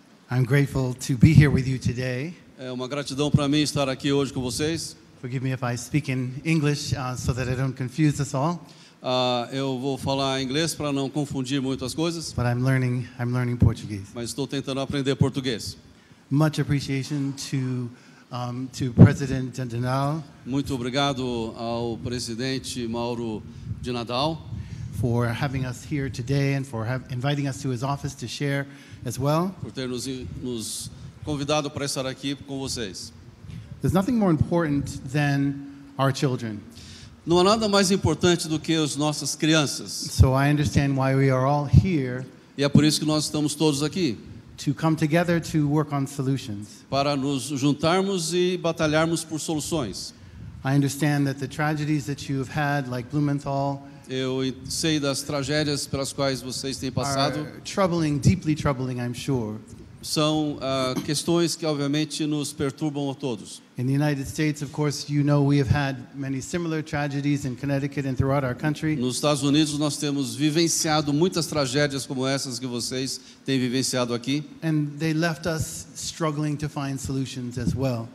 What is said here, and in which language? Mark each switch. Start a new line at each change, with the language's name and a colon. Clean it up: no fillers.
English: I'm grateful to be here with you today.
Portuguese: É uma gratidão para mim estar aqui hoje com vocês.
English: Forgive me if I speak in English, so that I don't confuse us all.
Portuguese: Eu vou falar inglês para não confundir muito as coisas.
English: But I'm learning Portuguese.
Portuguese: Mas estou tentando aprender português.
English: Much appreciation to President Nadal.
Portuguese: Muito obrigado ao presidente Mauro de Nadal.
English: For having us here today and for inviting us to his office to share as well.
Portuguese: Por ter nos convidado para estar aqui com vocês.
English: There's nothing more important than our children.
Portuguese: Não há nada mais importante do que as nossas crianças.
English: So I understand why we are all here.
Portuguese: E é por isso que nós estamos todos aqui.
English: To come together to work on solutions.
Portuguese: Para nos juntarmos e batalharmos por soluções.
English: I understand that the tragedies that you have had, like Blumenthal.
Portuguese: Eu sei das tragédias pelas quais vocês têm passado.
English: Are troubling, deeply troubling, I'm sure.
Portuguese: São questões que obviamente nos perturbam a todos.
English: In the United States, of course, you know we have had many similar tragedies in Connecticut and throughout our country.
Portuguese: Nos Estados Unidos nós temos vivenciado muitas tragédias como essas que vocês têm vivenciado aqui.
English: And they left us struggling to find solutions as well.